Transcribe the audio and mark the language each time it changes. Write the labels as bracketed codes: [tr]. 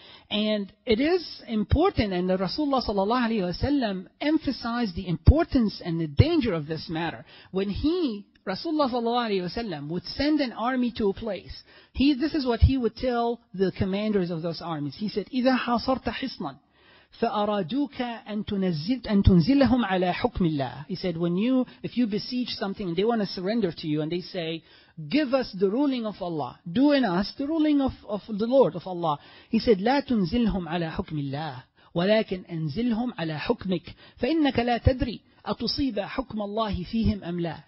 [en] And it is important, and the Rasulullah sallallahu alayhi wa sallam emphasized the importance and the danger of this matter. When he, Rasulullah sallallahu alayhi wa sallam, would send an army to a place, this is what he would tell the commanders of those armies. [ar] He said, إِذَا حَصَرْتَ حِصْنًا فَأَرَادُوكَ أَن تُنزِلَهُمْ عَلَىٰ حُكْمِ اللَّهِ. [en] He said, if you besiege something and they want to surrender to you and they say, give us the ruling of Allah, do in us the ruling of the Lord of Allah. [ar] He said, لَا تُنزِلْهُمْ عَلَىٰ حُكْمِ اللَّهِ وَلَكِنْ أَنزِلْهُمْ عَلَىٰ حُكْمِكَ فَإِنَّكَ لَا تَدْرِي أَتُصِيبَ حُكْمَ اللَّهِ فِيهِمْ أَمْ لَا.